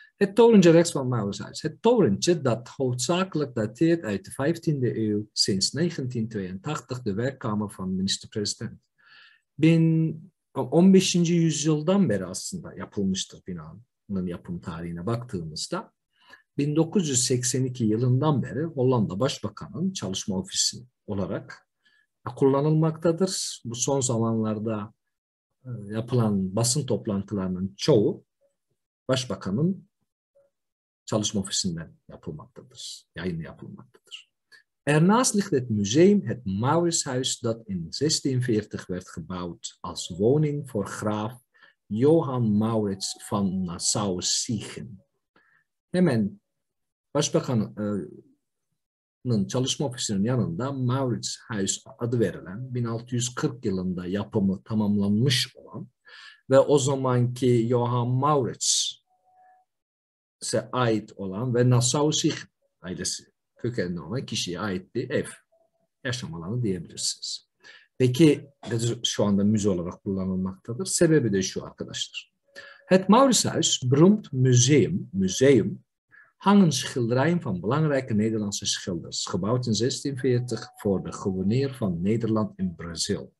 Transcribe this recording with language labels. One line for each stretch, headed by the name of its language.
Dutch: Het torentje rechts van Maurits. Het torentje dat hoofdzakelijk dateert uit de 15e eeuw, sinds 1982 de werkkamer van minister-president.
Turkish: 15. yüzyıldan beri aslında yapılmıştır binanın yapım tarihine baktığımızda. 1982 yılından beri Hollanda Başbakanı'nın çalışma ofisi olarak kullanılmaktadır. Bu son zamanlarda yapılan basın toplantılarının çoğu Başbakanın çalışma ofisinden yapılmaktadır, yayın yapılmaktadır.
Dutch: Ernaast ligt het museum het Mauritshuis dat in 1640 werd gebouwd als woning voor graaf Johan Maurits van Nassau-Siegen.
Turkish: Hemen Başbakanın çalışma ofisinin yanında Mauritshuis adı verilen 1640 yılında yapımı tamamlanmış olan ve o zamanki Johan Maurits'e ait olan ve Nassau-Siegen ailesi kökenli olan kişiye aitti ev, yaşam alanı diyebilirsiniz. Peki, şu anda müze olarak kullanılmaktadır. Sebebi de şu arkadaşlar.
Dutch: Het Mauritshuis, beroemd museum, hangen schilderijen van belangrijke Nederlandse schilders, gebouwd in 1640 voor de gouverneur van Nederland in Brazil.